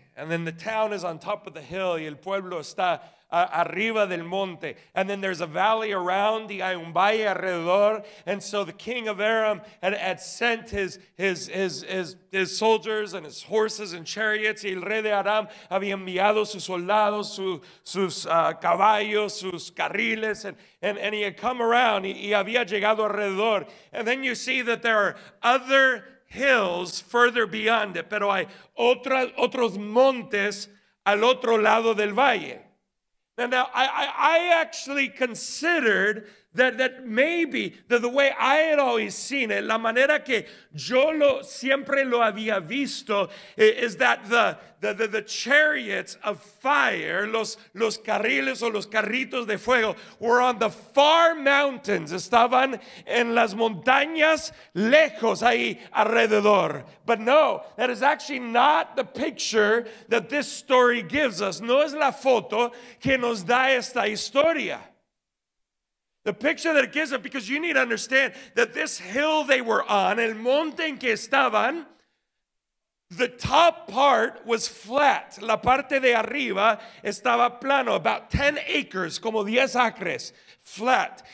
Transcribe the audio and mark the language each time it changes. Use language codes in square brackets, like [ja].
[en] And then the town is on top of the hill. [es] Y el pueblo está arriba del monte. [en] And then there's a valley around. [es] Y hay un valle alrededor. [en] And so the king of Aram had sent his soldiers and his horses and chariots. [es] Y el rey de Aram había enviado sus soldados, sus caballos, sus carriles. [en] And he had come around. [es] Y había llegado alrededor. [en] And then you see that there are other hills further beyond it, [es] pero hay otros montes al otro lado del valle. [en] Now I actually considered that maybe the way I had always seen it, [es] la manera que yo siempre lo había visto, [en] is that the chariots of fire, [es] los carriles o los carritos de fuego, [en] were on the far mountains, [es] estaban en las montañas lejos ahí alrededor. [en] But no, that is actually not the picture that this story gives us. [es] No es la foto que nos da esta historia. [en] The picture that it gives us, because you need to understand that this hill they were on, [es] el monte en que estaban, [en] the top part was flat. [es] La parte de arriba estaba plano, [en] about 10 acres, [es] como 10 acres, flat.